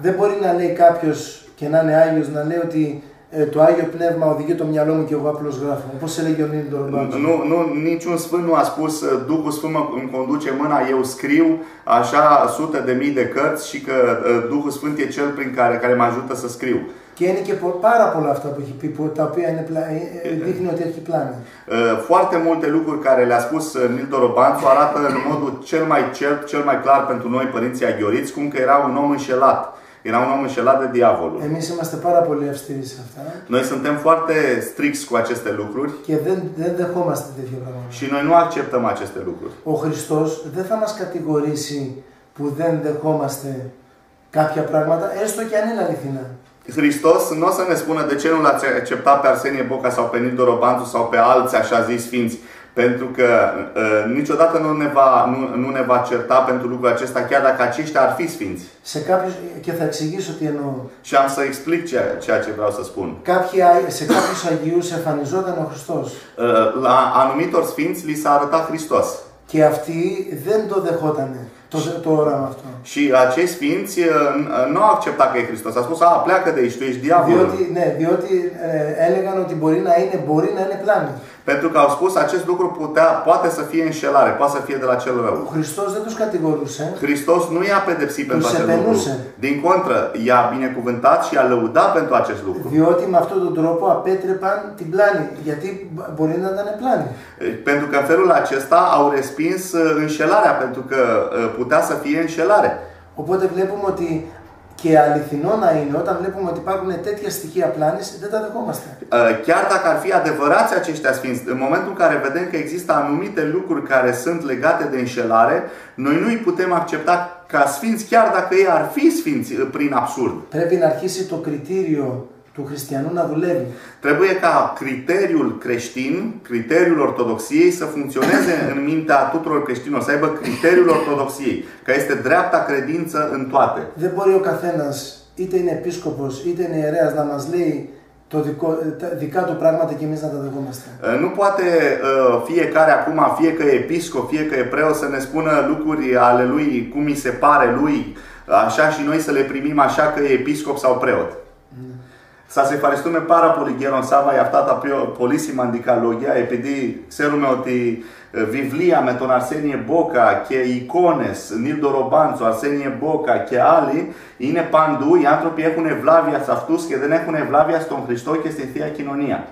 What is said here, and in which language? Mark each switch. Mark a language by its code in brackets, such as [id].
[el] Δεν μπορεί να λέει κάποιος και να είναι άγιος να λέει ότι το Άγιο Πνεύμα οδηγεί το μυαλό μου και εγώ απλώς γράφω. Πώς έλεγε ο Νίλ Ντορομπάντσου? [ro] Niciun sfânt nu a spus Duhul Sfânt îmi conduce mâna, eu scriu așa sute de mii de cărți și că Duhul Sfânt e cel prin care mă ajută să scriu. [el] Και είναι και πάρα πολλά αυτά που έχει πει, τα οποία δείχνει ότι έχει πλάνη. [ro] Foarte multe lucruri care le-a spus Nil Ντορομπάντσου arată în modul cel mai cert, cel mai clar pentru noi părinții aghioriți, cum că era un om înșelat. Era un om înșelat de diavolul. [el] Εμείς είμαστε πάρα πολύ αυστηροί σε αυτά. [ro] Noi suntem foarte stricți cu aceste lucruri. [el] Και δεν δεχόμαστε τέτοια πράγματα. [ro] Și noi nu acceptăm aceste lucruri. [el] Ο Χριστός δεν θα μας κατηγορήσει που δεν δεχόμαστε κάποια πράγματα, έστω και αν είναι αληθινά. [ro] Χριστός nu o să ne spună de ce nu l-ați acceptat pe Arsenie Boca sau pe Nil Ντορομπάντσου sau pe alți așa zis sfinți. Pentru că niciodată nu ne va certa pentru lucrul acesta, chiar dacă aceștia ar fi sfinți. [el] Σε κάποιους, και θα εξηγήσω τι εννοώ. [ro] Și am să explic ceea ce vreau să spun. [el] Σε κάποιους αγίους εμφανιζόταν ο Χριστός. [ro] La anumitor sfinți li s-a arătat Hristos. [el] Και αυτοί δεν το δεχότανε. Το όραμα αυτό. [ro] Și acei sfinți nu au acceptat că e Hristos. A spus, a, pleacă de aici, tu ești diavolul. [el] Διότι έλεγαν ότι μπορεί να είναι πλάνη. [ro] Pentru că au spus acest lucru poate să fie înșelare, poate să fie de la cel rău. Hristos nu tu-și categorise. Hristos nu i-a pedepsit pentru acest lucru. Din contră, i-a binecuvântat și i-a lăudat pentru acest lucru. [el] Διότι με αυτόν τον τρόπο απέτρεπαν την πλάνη. Γιατί μπορεί να ήταν πλάνη. [ro] Pentru că în felul acesta au respins înșelarea, pentru că putea să fie înșelare. [el] Οπότε βλέπουμε ότι και αληθινό να είναι όταν βλέπουμε ότι υπάρχουν τέτοια στοιχεία πλάνης, δεν τα δεχόμαστε. [ro] Chiar dacă ar fi adevărați aceștia sfinți, în momentul în care vedem că există anumite lucruri care sunt legate de înșelare, noi nu îi putem accepta ca sfinți, chiar dacă ei ar fi sfinți prin absurd. Trebuie [el] να αρχίσει το κριτήριο του χριστιανού να δουλεύει. [ro] Trebuie ca criteriul creștin, criteriul ortodoxiei să funcționeze în mintea tuturor creștinilor, să aibă criteriul ortodoxiei, că este dreapta credință în toate. [el] Δεν μπορεί ο καθένας, είτε είναι επίσκοπος, είτε είναι ιερέας, να μας λέει το δικό, δικά του πράγματα και εμείς να τα δεχόμαστε. [ro] Nu poate fiecare acum, fie că e episcop, fie că e preot, să ne spună lucruri ale lui, cum îi se pare lui, așa și noi să le primim așa că e episcop sau preot. [el] Θα σε ευχαριστούμε πάρα πολύ γέρον Σάβα για αυτά τα πιο πολύ σημαντικά λόγια, επειδή ξέρουμε ότι βιβλία με τον Αρσένιε Μπόκα και εικόνες, Νίλντο Ρομπάντσο, Αρσένιε Μπόκα και άλλοι είναι παντού, οι άνθρωποι έχουν ευλάβεια σε αυτούς και δεν έχουν ευλάβεια στον Χριστό και στη Θεία Κοινωνία.